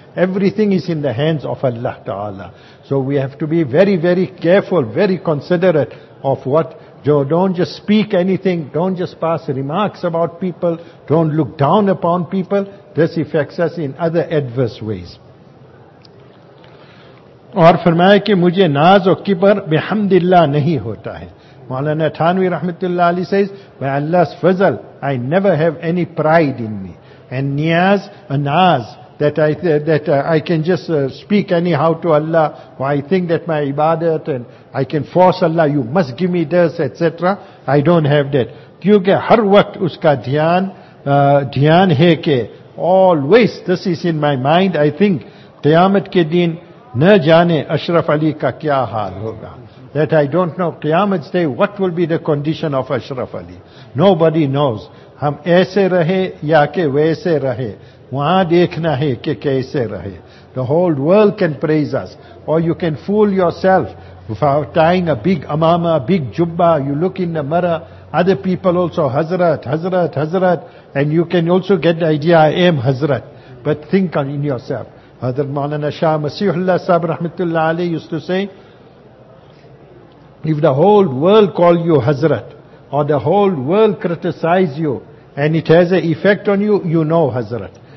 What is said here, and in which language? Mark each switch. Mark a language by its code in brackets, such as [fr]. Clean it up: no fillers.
[en] Everything is in the hands of Allah Ta'ala. So we have to be very, very careful, very considerate of what. Don't just speak anything, don't just pass remarks about people, don't look down upon people. This affects us in other adverse ways. [ur] اور فرمایا کہ مجھے ناز و کبر بحمد اللہ نہیں ہوتا ہے. [en] مولانا تھانوی رحمت اللہ علیہ says, by Allah's fazal, I never have any pride in me. And niyaz, a naz, that I can just speak anyhow to Allah, or I think that my ibadat, and I can force Allah, you must give me this, etc. I don't have that. [ur] کیونکہ ہر وقت اس کا دھیان ہے کہ [en] always this is in my mind, I think, [ur] قیامت کے دن, نہ جانے اشرف علی کا کیا حال ہوگا. [en] That I don't know, qayamat day, what will be the condition of Ashraf Ali. Nobody knows. [ur] ہم ایسے رہے یا کہ ویسے رہے. وہاں دیکھنا ہے کہ کیسے رہے. [en] The whole world can praise us. Or you can fool yourself for tying a big amama, a big jubba. You look in the mirror. Other people also, Hazrat, Hazrat, Hazrat. And you can also get the idea, I am Hazrat. But think in yourself. Hazrat Maulana Shah Masihullah Sahib Rahmatullah Ali used to say, if the whole world call you Hazrat, or the whole world criticize you, and it has an effect on you, you know Hazrat.